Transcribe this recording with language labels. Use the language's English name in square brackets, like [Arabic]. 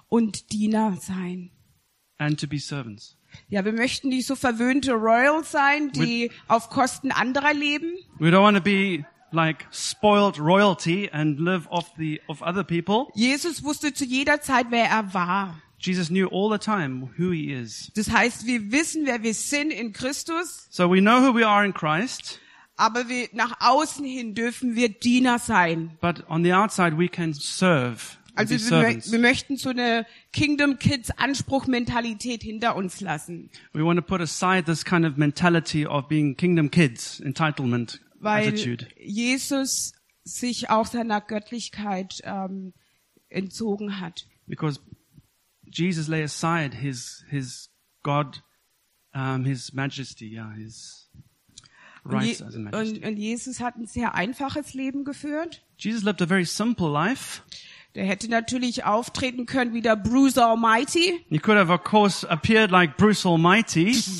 [German] Und Diener sein. [English] And to be servants. [German] Ja, wir möchten nicht so verwöhnte Royals sein, die auf Kosten anderer leben. [English] We don't want to be like spoiled royalty and live off the of other people. [German] Jesus wusste zu jeder Zeit, wer er war. [English] Jesus knew all the time who he is. [German] Das heißt, wir wissen, wer wir sind in Christus. [English] So we know who we are in Christ. [German] Aber wir, nach außen hin dürfen wir Diener sein. [English] But on the outside we can serve. [German] Also wir möchten so eine Kingdom Kids Anspruchmentalität hinter uns lassen. [English] We want to put aside this kind of mentality of being Kingdom Kids entitlement attitude. [German] Weil Jesus sich auch seiner Göttlichkeit entzogen hat. [English] Because Jesus lay aside his God, his Majesty, yeah, his rights as a Majesty. [German] Und Jesus hat ein sehr einfaches Leben geführt. [English] Jesus lived a very simple life. [German] Der hätte natürlich auftreten können wie der Bruce Almighty. [English] He could have, of course, appeared like Bruce Almighty.